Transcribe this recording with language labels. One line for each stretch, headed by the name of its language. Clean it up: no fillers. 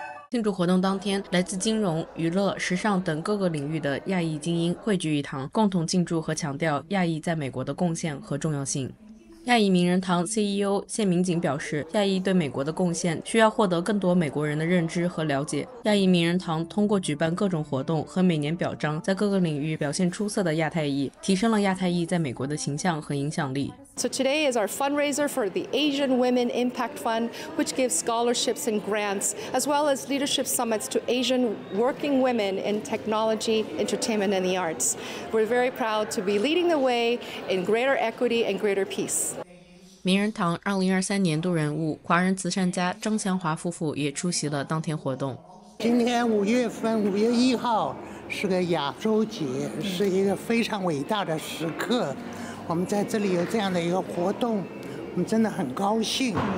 Chinese: 庆祝活动当天，来自金融、娱乐、时尚等各个领域的亚裔精英汇聚一堂，共同庆祝和强调亚裔在美国的贡献和重要性。亚裔名人堂 CEO 谢明景表示，亚裔对美国的贡献需要获得更多美国人的认知和了解。亚裔名人堂通过举办各种活动和每年表彰在各个领域表现出色的亚太裔，提升了亚太裔在美国的形象和影响力。
English: So today is our fundraiser for the Asian Women Impact Fund, which gives scholarships and grants, as well as leadership summits to Asian working women in technology, entertainment, and the arts. We're very proud to be leading the way in greater equity and greater peace.
Chinese: 名人堂2023年度人物华人慈善家张祥华夫妇也出席了当天活动。今天5月1号是个亚洲节，是一个非常伟大的时刻。我们在这里有这样的一个活动，我们真的很高兴。